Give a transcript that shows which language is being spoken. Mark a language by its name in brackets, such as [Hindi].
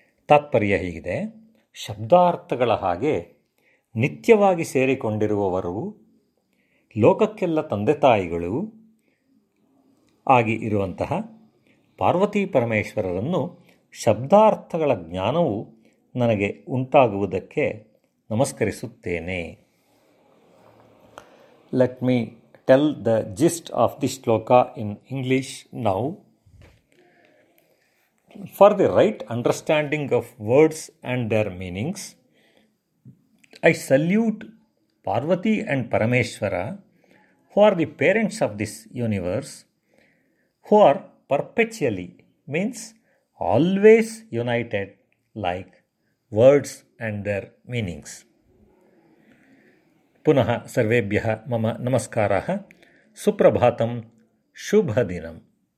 [Kannada] ತಾತ್ಪರ್ಯ ಹೀಗಿದೆ, ಶಬ್ದಾರ್ಥಗಳ ಹಾಗೆ ನಿತ್ಯವಾಗಿ ಸೇರಿಕೊಂಡಿರುವವರು, ಲೋಕಕ್ಕೆಲ್ಲ ತಂದೆ ತಾಯಿಗಳು ಆಗಿ ಇರುವಂತಹ ಪಾರ್ವತೀ ಪರಮೇಶ್ವರರನ್ನು ಶಬ್ದಾರ್ಥಗಳ ಜ್ಞಾನವು ನನಗೆ ಉಂಟಾಗುವುದಕ್ಕೆ ನಮಸ್ಕರಿಸುತ್ತೇನೆ. [English] Let me tell the gist of this shloka in English now. For the right understanding of words and their meanings, I salute Parvati and Parameshwara, who are the parents of this universe, who are perpetually, means always, united like words and their meanings. [Sanskrit] ಪುನಃ ಸರ್ವೇಭ್ಯಃ ಮಮ ನಮಸ್ಕಾರಃ, ಸುಪ್ರಭಾತಂ, ಶುಭದಿನಂ.